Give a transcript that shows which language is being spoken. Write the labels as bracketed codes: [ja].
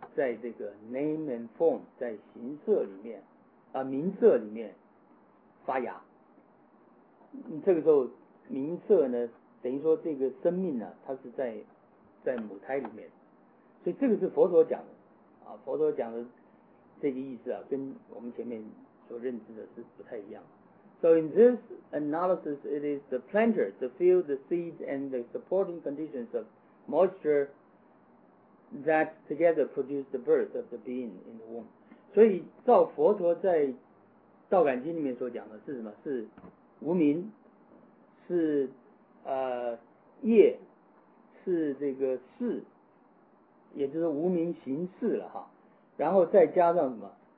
[zh] 在这个 [en] name and form， [zh] 在形色里面啊、名色里面发芽。这个时候。名色呢，等于说这个生命呢、啊，它是在母胎里面，所以这个是佛陀讲的啊，佛陀讲的这个意思啊，跟我们前面所认知的是不太一样。 [en] So in this analysis, it is the planter, the field, the seed, and the supporting conditions of moisture that together produce the birth of the being in the womb. [zh] 所以照佛陀在《道感经》里面所讲的是什么？是无明。是业，是这个事，也就是无名行事了哈，然后再加上什么？